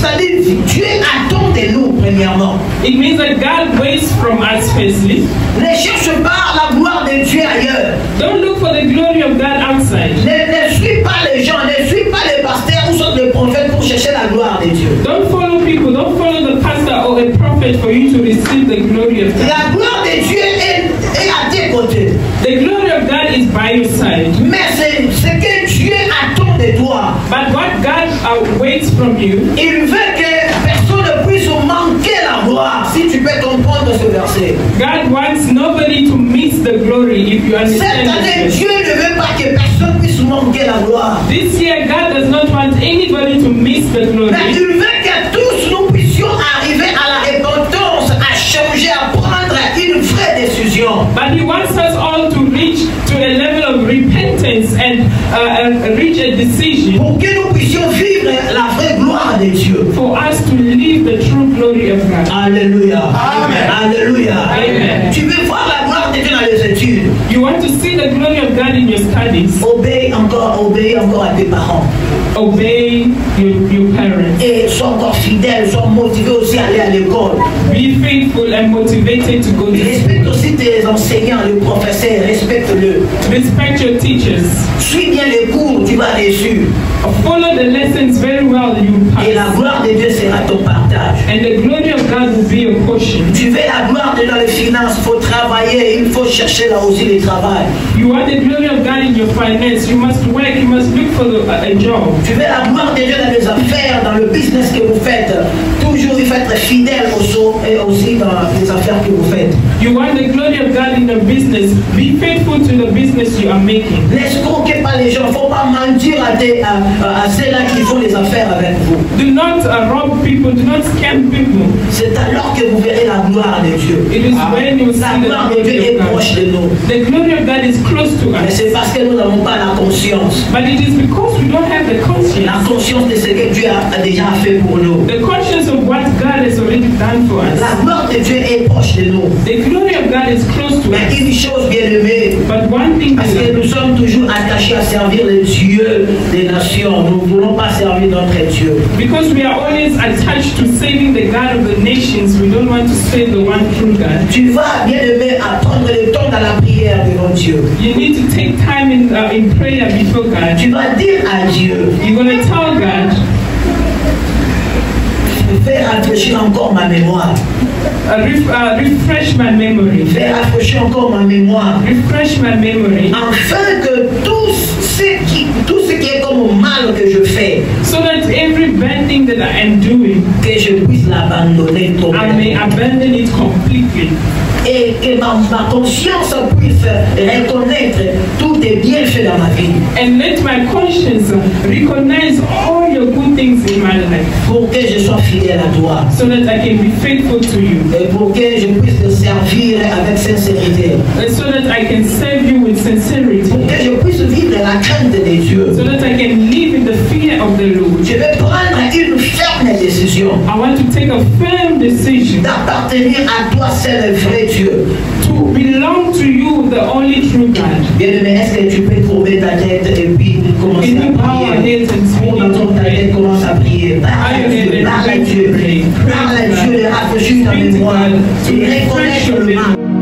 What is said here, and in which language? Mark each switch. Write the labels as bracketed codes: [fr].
[fr] C'est-à-dire Dieu attend de nous premièrement. [en] It means that God waits from us firstly. [fr] Ne cherche pas la gloire de Dieu ailleurs. [en] Don't look for the glory of God outside. [fr] Ne suis pas les gens, ne suis pas les pasteurs ou sont les prophètes pour chercher la gloire de Dieu. [en] Don't follow people, don't follow the pastor or the prophet for you to receive the glory of God. [fr] La gloire de Dieu est à tes côtés. [en] The glory of God is by your side. [fr] Mais c'est que Dieu attend de toi. [en] But what God awaits from you, [fr] il veut que personne ne puisse manquer la gloire. Si tu peux peux comprendre ce verset. [en] God wants nobody to miss the glory if you understand. [fr] Cette année, Dieu ne veut pas que personne puisse manquer la gloire. [en] This year, God does not want anybody to miss the glory. [fr] Mais il veut que tous nous puissions arriver à la repentance, à changer, à prendre une vraie décision. [en] But he wants us all to reach to a level of repentance and reach a decision. [fr] Pour que nous puissions vivre la vraie gloire de Dieu. [en] For us to live the true glory of God. Alléluia. Amen. Alléluia. Amen. [fr] Tu veux voir la gloire de Dieu dans les études? [en] You want to see the glory of God in your studies? [fr] Obey encore à tes parents. [en] Obey your parents. [fr] Et sois encore fidèle, sois motivé aussi à aller à l'école. [en] Be faithful and motivated to go to school. [fr] Respecte aussi tes enseignants, les professeurs, respecte-le. [en] Respect your teachers. [fr] Suis bien les cours, tu vas dessus. [en] Follow the lessons very well, you pass. [fr] Et la gloire de Dieu sera ton partage. [en] And the glory of God will be your portion. [fr] Tu veux la gloire de dans les finances, faut travailler, il faut chercher là aussi le travail. [en] You want the glory of God in your finances, you must work, you must look for a job. [fr] Tu veux la gloire de Dieu dans les affaires, dans le business que vous faites. Toujours il faut être fidèle aussi, et aussi dans les affaires que vous faites. [en] You want the glory of God in the business, be faithful to the business you are making. [fr] N'escroquez pas les gens, faut pas mentir à ceux-là qui font les affaires avec vous. [en] Do not rob people, do not scam people. [fr] C'est alors que vous verrez la gloire de Dieu. [en] It is when you see [fr] la gloire de Dieu est proche de nous. [en] The glory of God is close to us. [fr] Mais c'est parce que nous n'avons pas la conscience. [en] But it is because we don't have the conscience. [fr] La conscience de ce que Dieu a déjà fait pour nous. [en] The conscience of what God has already done for us. [fr] La gloire de Dieu est proche de nous. [en] The glory of God is close to [fr] mais Mais une chose bien aimée. [en] But one thing. [fr] Parce que nous sommes toujours attachés à servir les dieux des nations. Nous ne voulons pas servir notre Dieu. [en] Because we are always attached to saving the God of the nations, we don't want to save the one true God. [fr] Tu vas bien aimé attendre le temps dans la prière devant Dieu. [en] You need to take time in prayer before God. [fr] Tu vas dire à Dieu. [en] You're going to tell God. [fr] Fais rafraîchir encore ma mémoire. [en] Refresh my memory. [fr] Fais rafraîchir encore ma mémoire. [en] Refresh my memory. [fr] Afin que tout ce qui est comme mal que je fais. [en] So that every bad thing that I am doing, [fr] que je puisse l'abandonner complètement. [en] I may abandon it completely. [fr] Et que ma conscience puisse reconnaître tous tes bienfaits dans ma vie. [en] And let my conscience recognize all your good things in my life. [fr] Pour que je sois fidèle à toi. [en] So that I can be faithful to you. [fr] Et pour que je puisse te servir avec sincérité. [en] And so that I can serve you with sincerity. [fr] Pour que je puisse vivre la crainte de Dieu. [en] So that I can live in the fear of the Lord. [fr] Je vais prendre une ferme décision. [en] I want to take a firm decision. [fr] D'appartenir à toi seul et vrai Dieu. [en] To belong to you, the only true God. [fr] Bien-aimé, est-ce que tu peux trouver ta tête et puis commencer à prier? Et nous parlons à l'aide, on entend ta tête, commence à prier. Parle à Dieu, parle à Dieu, rafraîchis ta mémoire. Tu reconnais le mal.